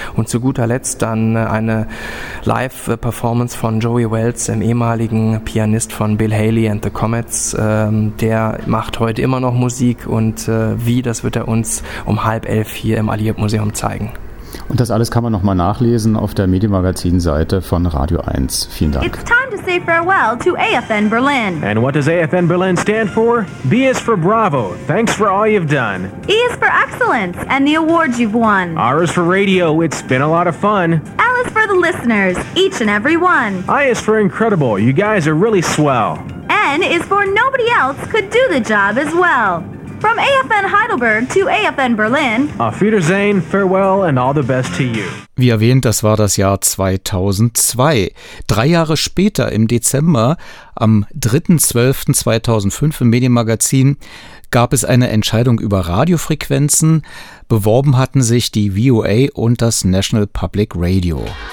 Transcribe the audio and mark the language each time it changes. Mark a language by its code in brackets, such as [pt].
[de] Und zu guter Letzt dann eine Live-Performance von Joey Wells, dem ehemaligen Pianist von Bill Haley and the Comets. Der macht heute immer noch Musik, und wie, das wird er uns um 22:30 hier im Alliiert-Museum zeigen. Und das alles kann man nochmal nachlesen auf der Medienmagazin-Seite von Radio 1. Vielen Dank. [en] It's time to say farewell to AFN Berlin. And what does AFN Berlin stand for? B is for Bravo. Thanks for all you've done. E is for excellence and the awards you've won. R is for radio. It's been a lot of fun. L is for the listeners, each and every one. I is for incredible. You guys are really swell. N is for nobody else could do the job as well. From AFN Heidelberg to AFN Berlin. [de] Auf Wiedersehen, [en] farewell and all the best to you. [de] Wie erwähnt, das war das Jahr 2002. Drei Jahre später, im Dezember, am 3.12.2005 im Medienmagazin, gab es eine Entscheidung über Radiofrequenzen. Beworben hatten sich die VOA und das National Public Radio.